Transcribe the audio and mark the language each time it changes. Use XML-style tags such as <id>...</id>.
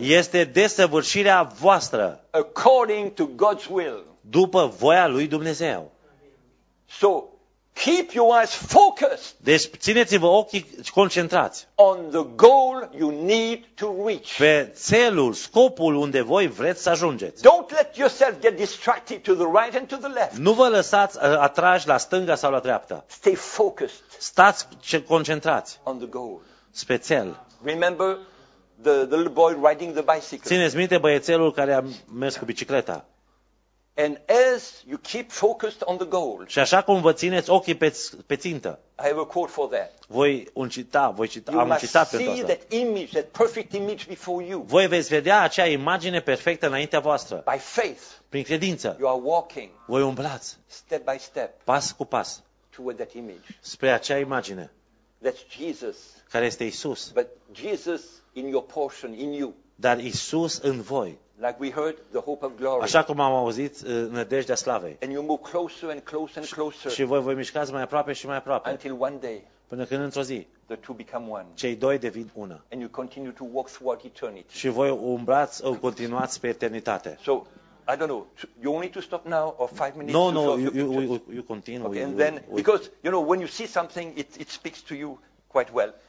<ro>Este desăvârșirea voastră.</ro> <en>According to God's will.</en> <ro>După voia lui Dumnezeu.</ro> <en>So keep your eyes focused.</en> <ro>Deci țineți-vă ochii concentrați.</ro> <en>On the goal you need to reach.</en> <ro>Pe țelul, scopul unde voi vreți să ajungeți.</ro> <en>Don't let yourself get distracted to the right and to the left.</en> <ro>Nu vă lăsați atrași la stânga sau la dreapta.</ro> <en>Stay focused.</en> <ro>Stați concentrați.</ro> <en>On the goal.</en> <ro>Spre țel.</ro> <en>Remember the little boy riding the bicycle.</en> <ro>Țineți minte băiețelul care a mers cu bicicleta.</ro> <en>And as you keep focused on the goal.</en> <ro>Și așa cum vă țineți ochii pe țintă.</ro> <en>I have a quote for that.</en> <ro>Voi cita pentru asta.</ro> <en>You see that image, that perfect image before you.</en> <ro>Voi veți vedea acea imagine perfectă înaintea voastră.</ro> <en>By faith.</en> <ro>Prin credință.</ro> <en>You are walking.</en> <ro>Voi umblați.</ro> <en>Step by step.</en> <ro>Pas cu pas.</ro> <en>Toward that image.</en> <ro>Spre acea imagine.</ro> <en>That's Jesus.</en> <ro>Care este Isus.</ro> <en>But Jesus in your portion, in you.</en> <ro>Dar Isus în voi.</ro> <en>Like we heard, the hope of glory.</en> <ro>Așa cum am auzit nădejdea slavei.</ro> <en>And you move closer and closer and closer.</en> <ro>Și voi mișcați mai aproape și mai aproape.</ro> <en>Until one day.</en> <ro>Până când într-o zi.</ro> <en>The two become one.</en> <ro>Cei doi devin una.</ro> <en>And you continue to walk throughout eternity.</en> <ro>Și voi umblați, continuați pe eternitate.</ro> <en>So, I don't know. You only to stop now or 5 minutes? No, to no. You continue. Okay, and then because you know when you see something, it speaks to you quite well.</en>